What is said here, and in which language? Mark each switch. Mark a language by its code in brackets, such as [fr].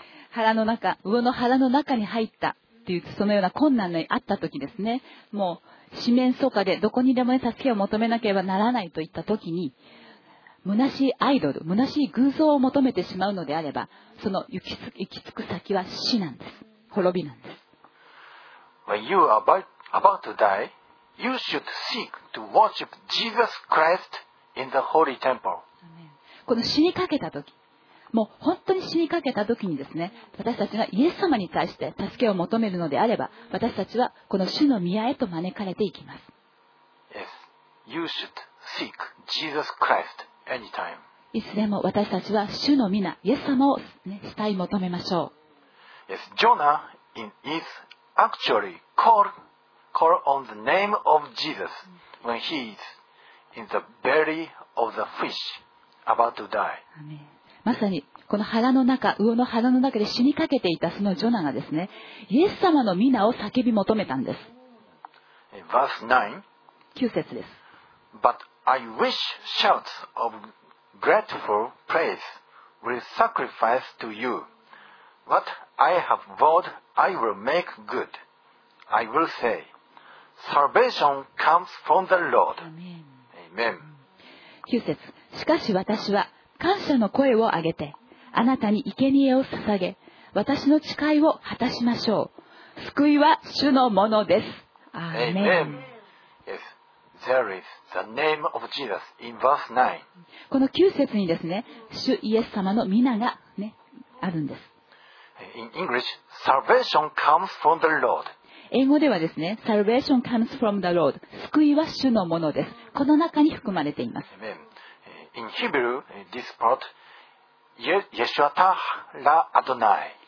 [ja] 腹の中、魚の腹の中に入ったっていう、そのような困難にあったときですね、もう四面楚歌でどこにでも助けを求めなければならないといったときに、虚しいアイドル、虚しい偶像を求めてしまうのであれば、その行き着く先は死なんです。滅びなんです。 [en] When you are about to die, you should seek to worship Jesus Christ in the holy temple. [ja] この死にかけた時、もう本当に死にかけた時にですね、私たちがイエス様に対して助けを求めるのであれば、私たちはこの主の宮へと招かれていきます。 [en] Yes, you should seek Jesus Christ anytime. [ja] いつでも私たちは主の宮、イエス様を、ね、慕い求めましょう。 [en] Yes, Jonah is actually called on the name of Jesus when he is in the belly of the fish. About to die. [ja] まさにこの腹の中、魚の腹の中で死にかけていたそのジョナがですね、イエス様の御名を叫び求めたんです。 [en] Verse 9. [ja] 9節です。 [en] But I wish shouts of grateful praise will sacrifice to you. What I have vowed, I will make good. I will say, salvation comes from the Lord. Amen. [ja] 9節。しかし私は感謝の声を上げて、あなたに生贄を捧げ、私の誓いを果たしましょう。救いは主のものです。アーメン。 [en] Amen. Yes, there is the name of Jesus in verse 9. [ja] この9節にですね、主イエス様の御名が、ね、あるんです。 [en] in English, salvation comes from the Lord. [ja] 英語ではですね、 [en] salvation comes from the Lord. [ja] 救いは主のものです。この中に含まれています。 [en] Amen. In Hebrew, this part, [he] Yeshua Taha Adonai.